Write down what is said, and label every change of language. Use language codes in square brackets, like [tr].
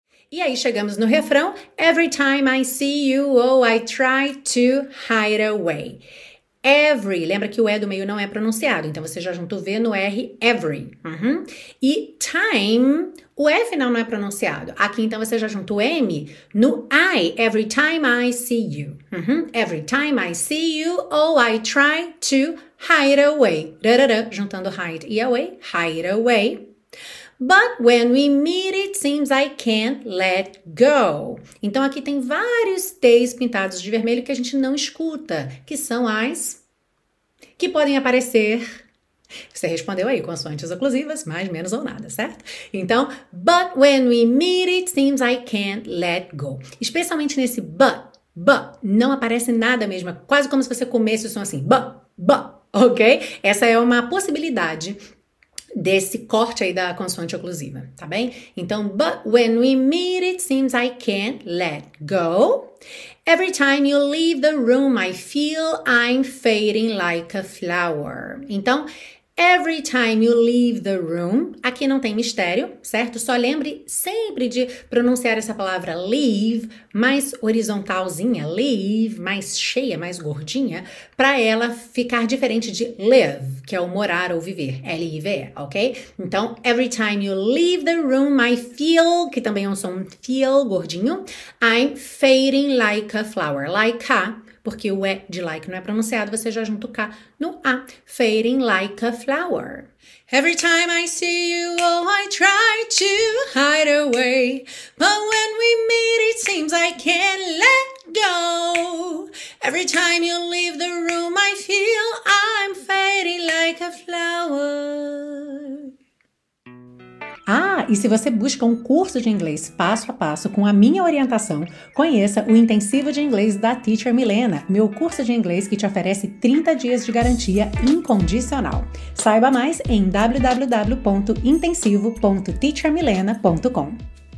[pt] E aí chegamos no refrão, [en] every time I see you, oh, I try to hide away. [pt] Every, lembra que o E do meio não é pronunciado, então você já junta o V no R, every. Uhum. E time, o E final não é pronunciado. Aqui então você já junta o M no I, [en] every time I see you. Uhum. Every time I see you, oh, I try to hide away. Rarara, juntando hide e away, hide away. But when we meet, it seems I can't let go. [pt] Então, aqui tem vários T's pintados de vermelho que a gente não escuta, que são as que podem aparecer. Você respondeu aí, consoantes oclusivas, mais, menos ou nada, certo? [en] Então, but when we meet, it seems I can't let go. [pt] Especialmente nesse but, não aparece nada mesmo. É quase como se você comesse o som assim, but, ok? Essa é uma possibilidade desse corte aí da consoante oclusiva, tá bem? [en] Então, but when we meet, it seems I can't let go. Every time you leave the room, I feel I'm fading like a flower. [pt] Então, [en] every time you leave the room, [pt] aqui não tem mistério, certo? Só lembre sempre de pronunciar essa palavra leave, mais horizontalzinha, leave, mais cheia, mais gordinha, para ela ficar diferente de live, que é o morar ou viver, L-I-V-E, ok? Então, [en] every time you leave the room, I feel, [pt] que também é um som feel, gordinho, [en] I'm fading like a flower, [pt] like a, porque o E de like não é pronunciado, você já junta o K no A. [en] Fading like a flower. Every time I see you, oh, I try to hide away. But when we meet, it seems I can't let go. Every time you leave the room, I feel I'm fading like a flower. [pt] Ah, e se você busca um curso de inglês passo a passo com a minha orientação, conheça o Intensivo de Inglês da Teacher Milena, meu curso de inglês que te oferece 30 dias de garantia incondicional. Saiba mais em www.intensivo.teachermilena.com.